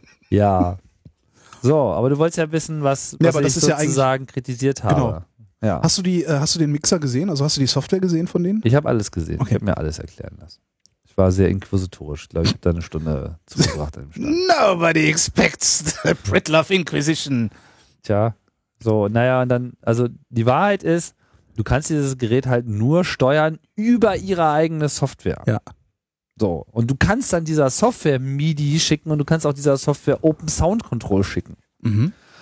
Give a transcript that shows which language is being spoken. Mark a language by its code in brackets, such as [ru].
[de] Ja. So, aber du wolltest ja wissen, was ich sozusagen kritisiert habe. Genau. Ja. Hast du den Mixer gesehen? Also hast du die Software gesehen von denen? Ich habe alles gesehen. Okay. Ich habe mir alles erklären lassen. Ich war sehr inquisitorisch. Ich glaube, ich habe da eine Stunde zugebracht. [en] Nobody expects the Pritlove Inquisition. [de] Tja, so, naja, und dann, also die Wahrheit ist, du kannst dieses Gerät halt nur steuern über ihre eigene Software. Ja. So, und du kannst dann dieser Software MIDI schicken und du kannst auch dieser Software Open Sound Control schicken. Mhm.